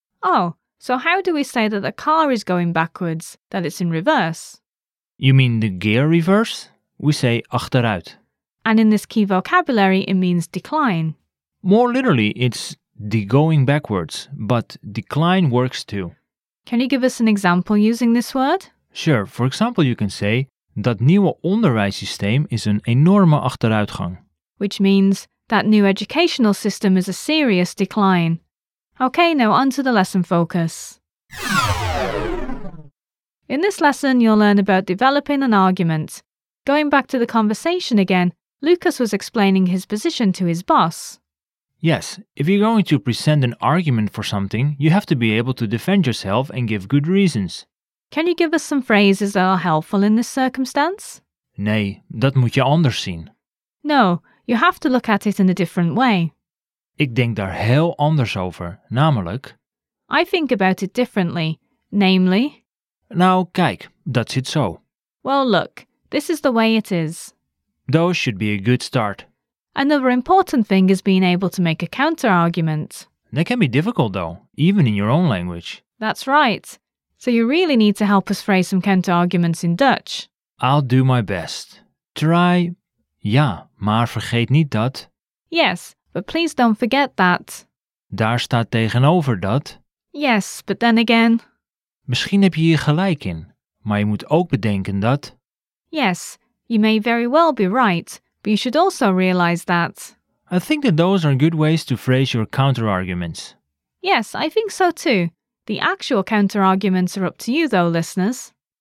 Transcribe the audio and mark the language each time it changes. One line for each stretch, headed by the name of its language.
English: Oh, so how do we say that the car is going backwards, that it's in reverse? You mean the gear reverse? We say achteruit. And in this key vocabulary, it means decline. More literally, it's the going backwards, but decline works too. Can you give us an example using this word? Sure. For example, you can say,
Dutch: dat nieuwe onderwijssysteem is een enorme achteruitgang.
English: Which means, that new educational system is a serious decline. Okay, now on to the lesson focus. In this lesson, you'll learn about developing an argument. Going back to the conversation again, Lucas was explaining his position to his boss. Yes, if you're going to present an argument for something, you have to be able to defend yourself and give good reasons. Can you give us some phrases that are helpful in this circumstance?
Dutch: Nee, dat moet je anders zien.
English: No, you have to look at it in a different way.
Dutch: Ik denk daar heel anders over, namelijk...
English: I think about it differently, namely...
Dutch: Nou, kijk, dat zit zo.
English: Well, look, this is the way it is. Those should be a good start. Another important thing is being able to make a counter-argument. That can be difficult, though, even in your own language. That's right. So you really need to help us phrase some counter-arguments in Dutch. I'll do my best. Try...
Dutch: Ja, maar vergeet niet dat...
English: Yes, but please don't forget that...
Dutch: Daar staat tegenover dat...
English: Yes, but then again...
Dutch: Misschien heb je hier gelijk in, maar je moet ook bedenken dat...
English: Yes, you may very well be right, but you should also realize that... I think that those are good ways to phrase your counter-arguments. Yes, I think so too. The actual counter-arguments are up to you though, listeners.